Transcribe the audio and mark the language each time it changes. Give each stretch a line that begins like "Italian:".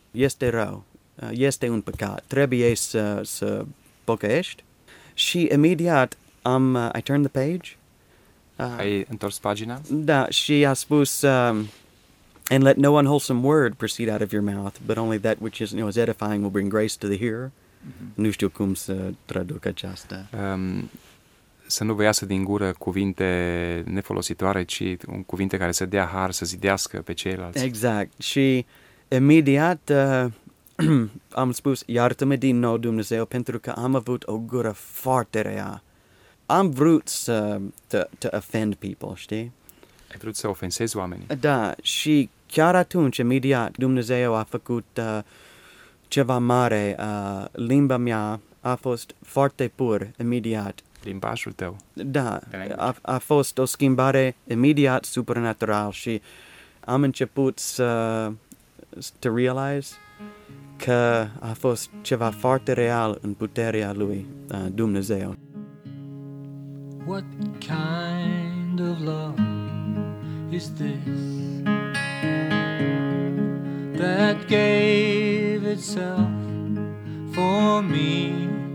Romanian: Este rău, este un păcat, trebuie să pocăiești. Și imediat
English: I turned the page.
Romanian: Ai întors pagina? Da, și a spus,
English: and let no unwholesome word proceed out of your mouth, but only that which is, is edifying will bring grace to the hearer. Mm-hmm.
Romanian: Nu știu cum să traduc aceasta. Să nu vă iasă din gură cuvinte nefolositoare, ci un cuvinte care să dea har, să zidească pe ceilalți. Exact, și... Imediat am spus, iartă-mă din nou, Dumnezeu, pentru că am avut o gură foarte rea. Am vrut să
English: to offend people,
Romanian: știi? Ai vrut să ofensezi oamenii. Da, și chiar atunci, imediat, Dumnezeu a făcut ceva mare. Limba mea a fost foarte pur, imediat. Limbajul tău? Da, a fost o schimbare imediat, supernatural, și am început să...
English: to realize
Romanian: că a fost ceva foarte real în puterea lui, Dumnezeu.
English: What kind of love is this that gave itself for me?